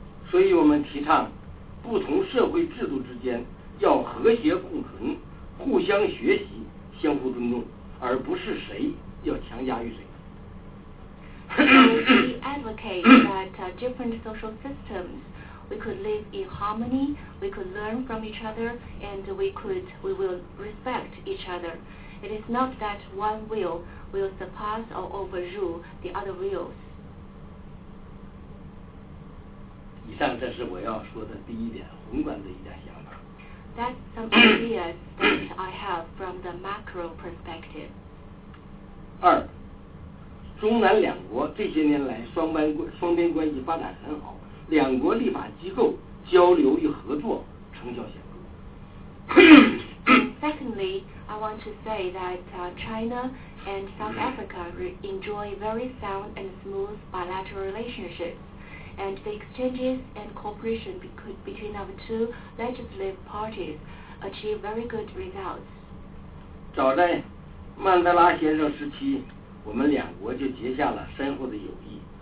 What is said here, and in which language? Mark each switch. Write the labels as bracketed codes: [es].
[zh] 所以我们提倡不同社会制度之间要和谐共存，互相学习，相互尊重，而不是谁要强加于谁。 [en] So we advocate that different social systems, we could live in harmony, we could learn from each other, and we will respect each other. It is not that one will surpass or overrule the other wills. [zh] 以上这是我要说的第一点，宏观的一点想法。 [en] That's some ideas that I have from the macro perspective. [zh] 二，中南两国这些年来双边关系发展很好，两国立法机构交流与合作成效显著。 [en] Secondly, I want to say that China and South Africa enjoy very sound and smooth bilateral relationships, and the exchanges and cooperation between our two legislative parties achieve very good results. [zh] 早在曼德拉先生时期，我们两国就结下了深厚的友谊。